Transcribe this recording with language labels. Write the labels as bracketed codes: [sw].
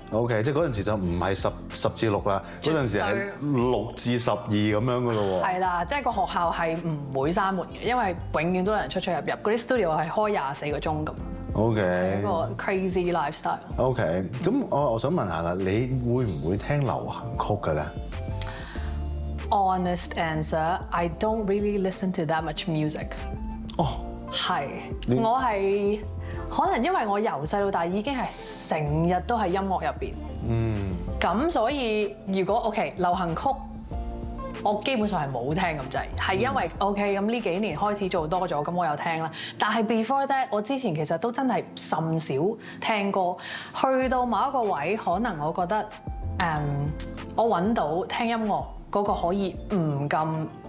[yue] O、okay, K， 即係嗰陣時就唔係十至六啦，嗰陣時係6至12咁樣噶咯喎。係啦，即係個學校係唔會閂門嘅，因為永遠都有人出出入入，嗰啲 studio 係開24小時咁。 O K。 係一個 [en] crazy lifestyle。 [yue] O K， 咁我想問一下啦，你會唔會聽流行曲嘅咧？ [en] Honest answer， I don't really listen to that much music。 [yue] 哦。係，我係。可能因為我由細到大已經係成日都喺音樂入邊，咁所以如果 OK 流行曲，我基本上係冇聽咁滯，係因為 OK 咁呢幾年開始做多咗，咁我有聽啦。但係 [en] before that， [yue] 我之前其實都真係甚少聽歌，去到某一個位，可能我覺得我揾到聽音樂嗰個可以唔咁。